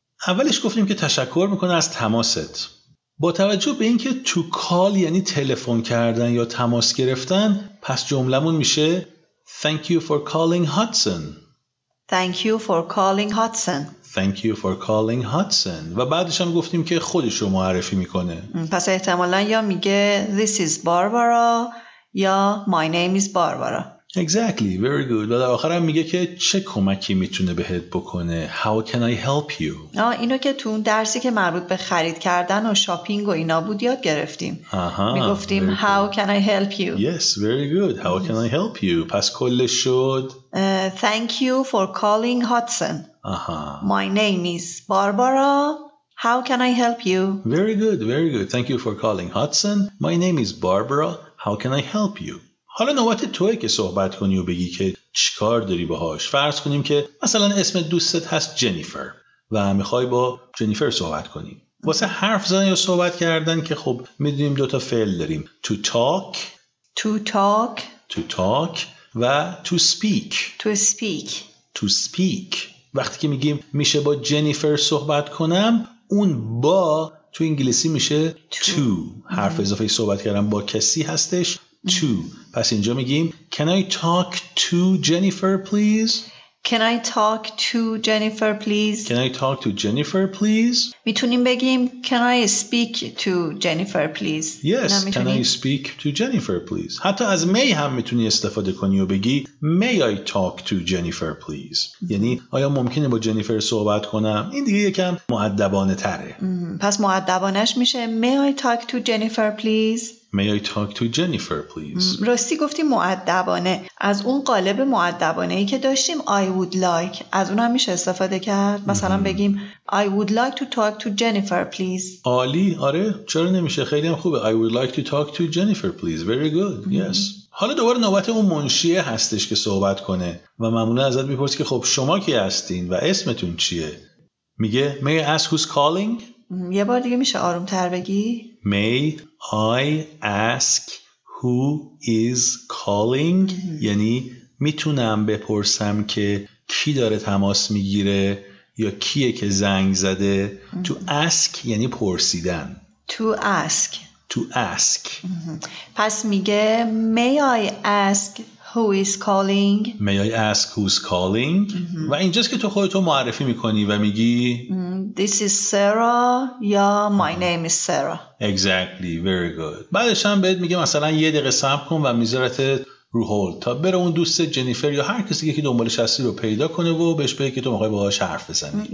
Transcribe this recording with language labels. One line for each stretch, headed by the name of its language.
Persian: اولش گفتیم که تشکر میکنه از تماست. با توجه به اینکه تو کال یعنی تلفن کردن یا تماس گرفتن، پس جملمون میشه
English: Thank you for calling Hudson. Thank you for calling Hudson. Thank you for calling Hudson.
Persian: و بعدش هم گفتیم که خودش رو معرفی میکنه. پس احتمالاً یا میگه
English: This is Barbara یا My name is Barbara. Exactly. Very good.
Persian: و در آخر هم میگه که چه کمکی میتونه بهت بکنه.
English: How can I help you?
Persian: اینو که تو اون درسی که مربوط به خرید کردن و شاپینگ و اینا بود یاد گرفتیم. میگفتیم
English: How can I help you? Yes. Very good. How can I help you?
Persian: پس کلش شد
English: Thank you for calling Hudson. My name is Barbara. How can I help you? Very good. Very good. Thank you for calling Hudson. My name is Barbara. How can I help you?
Persian: حالا نوبت توئه که صحبت کنی و بگی که چیکار داری باهاش. فرض کنیم که مثلا اسم دوستت هست جنیفر و میخوای با جنیفر صحبت کنی. واسه حرف زدن یا صحبت کردن که خب میدونیم دوتا فعل داریم.
English: To talk. To talk. To talk. و to speak. To speak. To speak.
Persian: وقتی که میگیم میشه با جنیفر صحبت کنم، اون با تو انگلیسی میشه to. حرف اضافه صحبت کردن با کسی هستش.
English: To.
Persian: پس اینجا میگیم
English: Can I talk to Jennifer please? Can I talk to Jennifer please? Can I talk to Jennifer please?
Persian: میتونیم بگیم
English: Can I speak to Jennifer please? Yes, can I speak to Jennifer please?
Persian: حتی از می هم میتونی استفاده کنی و بگی
English: May I talk to Jennifer please?
Persian: یعنی آیا ممکنه با جنیفر صحبت کنم؟ این دیگه یکم مؤدبانه تره. پس مؤدبانش میشه
English: May I talk to Jennifer please? May I talk to Jennifer, please?
Persian: راستی گفتی مؤدبانه. از اون قالب مؤدبانه ای که داشتیم
English: I would like.
Persian: از اونم میشه استفاده کرد. مثلا بگیم
English: I would like to talk to Jennifer, please.
Persian: عالی. آره. چرا نمیشه؟ خیلی هم خوبه.
English: I would like to talk to Jennifer, please. Very good. Yes.
Persian: حالا دوباره نوبت اون منشیه هستش که صحبت کنه و معمولا ازت میپرسی که خب شما کی هستین و اسمتون چیه؟ میگه
English: May I ask who's calling?
Persian: یه بار دیگه میشه آروم تر بگی؟
English: May I ask who is calling؟
Persian: یعنی میتونم بپرسم که کی داره تماس میگیره یا کیه که زنگ زده؟ To ask یعنی پرسیدن.
English: To ask. To ask.
Persian: پس میگه
English: May I ask who is calling؟ May I ask who's calling؟
Persian: و اینجاست که تو خودتو معرفی میکنی و میگی
English: This is Sarah یا My name is Sarah. Exactly. Very good.
Persian: بعدش هم بهت میگه مثلا یه دقیقه صبر کن و میذارت رو هولد تا بره اون دوست جنیفر یا هر کسی که دنبالش هستی رو پیدا کنه و بهش بگه که تو میخوای باهاش حرف بزنی.